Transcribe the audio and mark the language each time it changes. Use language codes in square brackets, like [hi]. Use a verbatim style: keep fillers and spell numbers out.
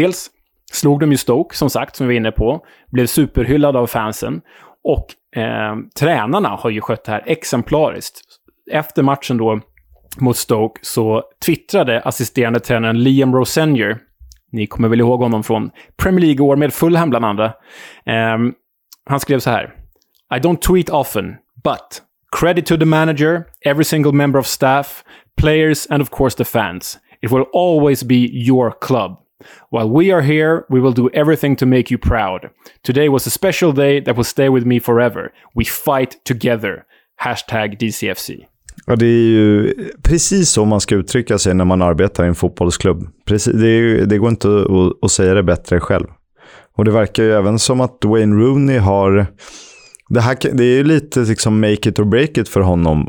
[sv] Dels slog de ju Stoke, som sagt, som vi var inne på. Blev superhyllad av fansen. Och eh, tränarna har ju skött det här exemplariskt. Efter matchen då mot Stoke så twittrade assisterande tränaren Liam Rosenior. Ni kommer väl ihåg honom från Premier League år med Fulham bland andra. Eh, han skrev så här. [en] I don't tweet often, but credit to the manager, every single member of staff, players and of course the fans. It will always be your club. While we are here, we will do everything to make you proud. Today was a special day that will stay with me forever. We fight together. Hashtag D C F C. [sv] Ja, det är ju precis så man ska uttrycka sig när man arbetar i en fotbollsklubb. Precis, det, är, det går inte att, att säga det bättre själv. Och det verkar ju även som att Wayne Rooney har... Det, här, det är ju lite liksom [en] make it or break it [sv] för honom.